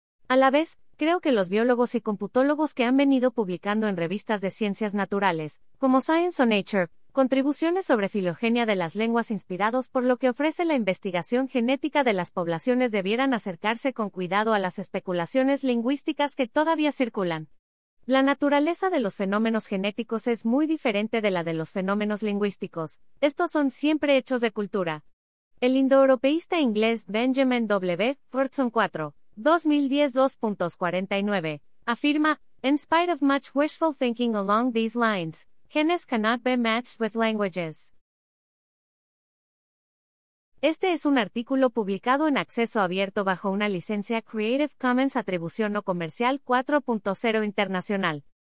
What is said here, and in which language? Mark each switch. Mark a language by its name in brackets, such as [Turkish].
[Spanish] A la vez, creo que los biólogos y computólogos que han venido publicando en revistas de ciencias naturales, como Science o Nature, contribuciones sobre filogenia de las lenguas inspirados por lo que ofrece la investigación genética de las poblaciones debieran acercarse con cuidado a las especulaciones lingüísticas que todavía circulan. La naturaleza de los fenómenos genéticos es muy diferente de la de los fenómenos lingüísticos. Estos son siempre hechos de cultura. El indoeuropeísta inglés Benjamin W. [English] Fortson IV, 2010 2.49, afirma, "In spite of much wishful thinking along these lines, genes cannot be matched with languages." [Spanish] Este es un artículo publicado en acceso abierto bajo una licencia Creative Commons Atribución No Comercial 4.0 Internacional.